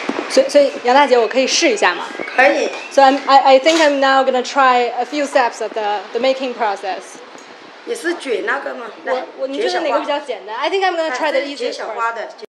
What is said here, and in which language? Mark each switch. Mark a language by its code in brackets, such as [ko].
[zh] 所以杨大姐，我可以试一下吗？可以。 [en] So I think I'm now gonna try a few steps of the making process. [zh] 你是卷那个吗？来，你觉得哪个比较简单？ [en] I think I'm gonna try the easiest part. [zh] 这是卷小花的。